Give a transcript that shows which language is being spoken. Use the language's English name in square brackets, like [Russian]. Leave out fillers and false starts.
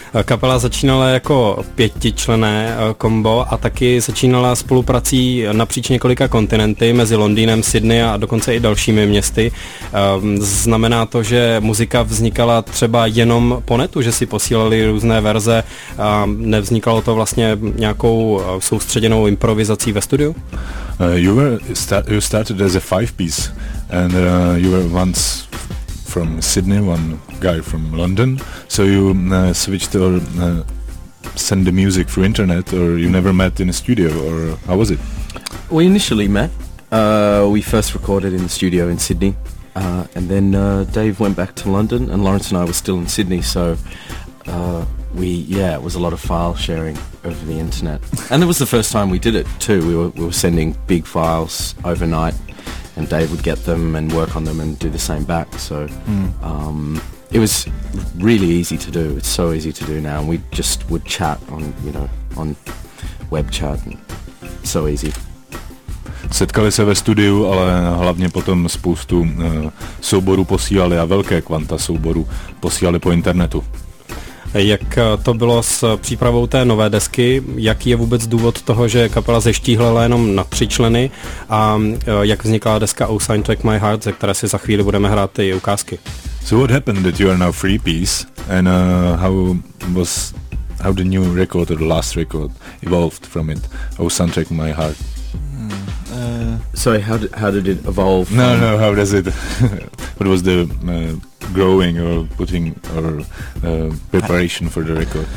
[Czech] Kapela začínala jako pětičlenné kombo a taky začínala spoluprací napříč několika kontinenty mezi Londýnem, Sydney a dokonce i dalšími městy. Znamená to, že muzika vznikala třeba jenom po netu, že si posílali různé verze a nevznikalo to vlastně nějakou soustředěnou improvizací ve studiu? [English] You started as a five-piece and you were once from Sydney, one guy from London. So you switched or send the music through internet, or you never met in a studio, or how was it? We initially met. We first recorded in the studio in Sydney, and then Dave went back to London, and Lawrence and I were still in Sydney. So it was a lot of file sharing over the internet, and it was the first time we did it too. We were sending big files overnight. And Dave would get them and work on them and do the same back. So it was really easy to do. It's so easy to do now. And we just would chat on, you know, on web chat. And so easy. [Czech] Setkali se ve studiu, ale hlavně potom spoustu souborů posílali a velké kvanta souborů posílali po internetu. Jak to bylo s přípravou té nové desky? Jaký je vůbec důvod toho, že kapela zeštíhlela jenom na tři členy? A jak vznikla deska Oh Sign Take My Heart, ze které si za chvíli budeme hrát ty ukázky? [English] So what happened that you are now three piece and how the new record or the last record evolved from it? Oh Sign Take My Heart. Sorry, how did it evolve? No, how does it... What was the growing or putting or preparation for the record?